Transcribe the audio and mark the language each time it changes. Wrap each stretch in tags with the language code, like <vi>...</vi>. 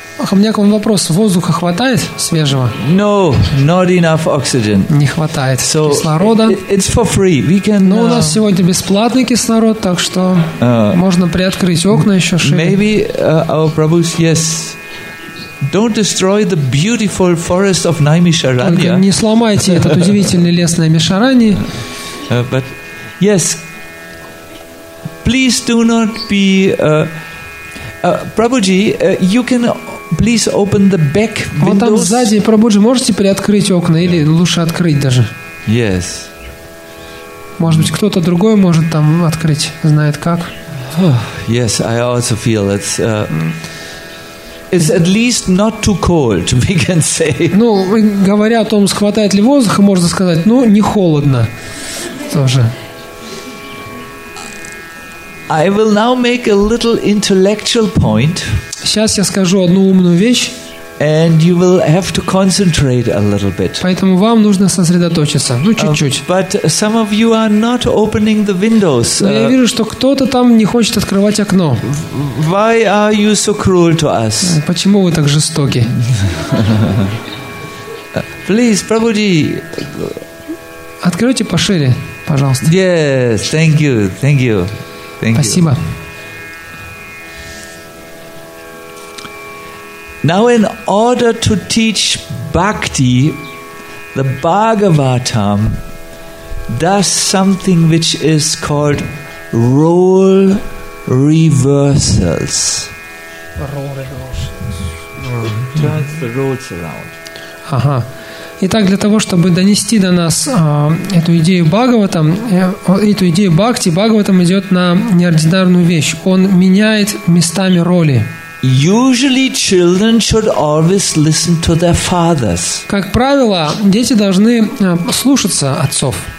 <ru>У меня к вам вопрос, воздуха хватает свежего?</ru> <en>No, not enough oxygen.</en> <ru>Не хватает кислорода.</ru> <en>It's for free. We can,</en> <ru>но у нас сегодня бесплатный кислород, так что можно приоткрыть окна еще шире.</ru> <en>Maybe our Prabhu, yes. Don't destroy the beautiful forest of Naimisharanya.</en> <ru>Не сломайте этот удивительный лес Наймишарани.</ru> <en>But yes, please do not be Prabhuji, you can please open the back windows.</en> <ru>Вот там сзади, Прабхуджи, можете приоткрыть окна или лучше открыть даже?</ru> <en>Yes.</en> <ru>Может быть, кто-то другой может там открыть, знает как.</ru> <en>Yes, I also feel it's at least not too cold, we can say.</en> <ru>Ну, говоря о том, хватает ли воздуха, можно сказать, ну, не холодно тоже.</ru> <en>I will now make a little intellectual point.</en> <ru>Сейчас я скажу одну умную вещь.</ru> <en>And you will have to concentrate a little bit.</en> <ru>Поэтому вам нужно сосредоточиться, ну чуть-чуть.</ru> <en>But some of you are not opening the windows.</en> <ru>Но я вижу, что кто-то там не хочет открывать окно.</ru> <en>Why are you so cruel to us?</en> <ru>Почему вы так жестоки?</ru> <en>Please, Prabhuji.</en> <ru>Откройте пошире, пожалуйста.</ru> <en>Yes, thank you, thank you, thank you.</en> <ru>Спасибо.</ru> <en>Now, in order to teach bhakti, the Bhagavatam does something which is called role reversals. Role reversals. Turns the roles around. Ага.</en> <ru>Итак, для того, чтобы донести до нас эту идею Бхагаватам, эту идею бхакти, Бхагаватам идет на неординарную вещь. Он меняет местами роли.</ru> <en>Usually children should always listen to their fathers.</en> <ru>Как правило, дети должны слушаться отцов.</ru>